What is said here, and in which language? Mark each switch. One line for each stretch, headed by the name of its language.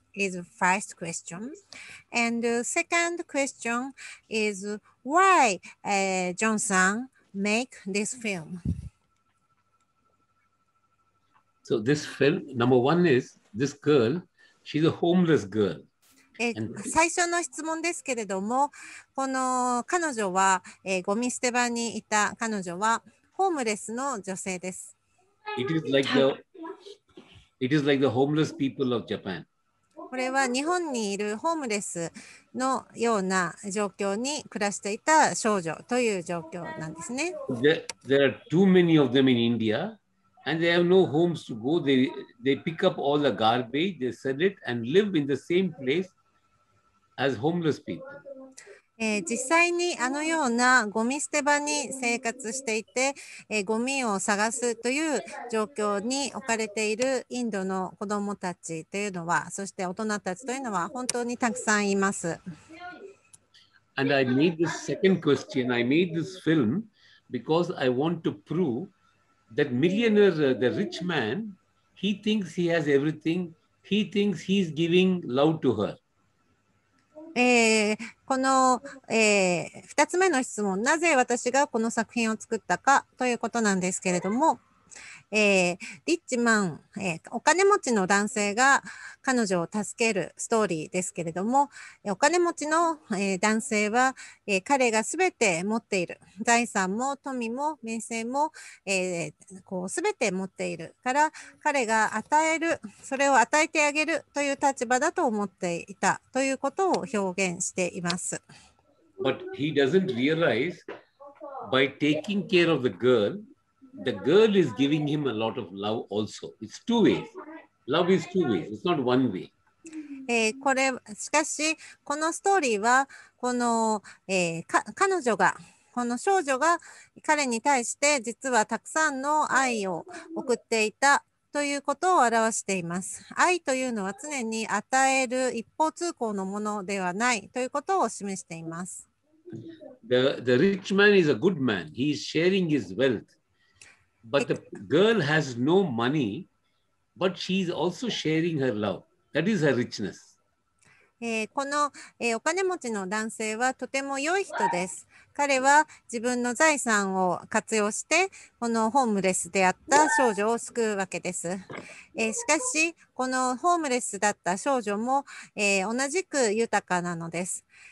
English: Is first question. And second question is why Johnson make this film? So this film, number one is this girl, she's a homeless girl.
Japanese: 最初の質問ですけれども、この彼女は、ゴミ捨て場にいた彼女はホームレスの女性です。
English: It is like the homeless people of Japan.
Japanese: これは日本にいるホームレスのような状況に暮らしていた少女という状況なんですね。
English: There are too many of them in India, and they have no homes to go. They pick up all the garbage, they sell it, and live in the same place as homeless people.
Japanese: 実際にあのようなゴミ捨て場に生活していて、ゴミを探すという状況に置かれているインドの子どもたちというのは、そして大人たちというのは本当にたくさんいます。
English: And I made this second question. I made this film because I want to prove that millionaire, the rich man, he thinks he has everything. He thinks he's giving love to her.
Japanese: この、2つ目の質問、なぜ私がこの作品を作ったかということなんですけれども、リッチマン、お金持ちの男性が彼女を助けるストーリーですけれども、お金持ちの、男性は、彼がすべて持っている財産も富も名声も、すべて持っているから彼が与える、それを与えてあげるという立場だと思っていたということを表現しています。
English: But he doesn't realize by taking care of the girl, the girl is giving him a lot of love also. It's two ways. Love is two ways. It's not one way.
Japanese: これしかしこのストーリーはこの、彼女がこの少女が彼に対して実はたくさんの愛を送っていたということを表しています。愛というのは常に与える一方通行のものではないということを示しています。
English: The rich man is a good man. He is sharing his wealth. But the girl has no money, but she is also sharing her love. That is her richness.
Japanese: この、お金持ちの男性はとても良い人です。彼は自分の財産を活用してこのホームレスであった少女を救うわけです。しかしこのホームレスだった少女も、同じく豊かなのです。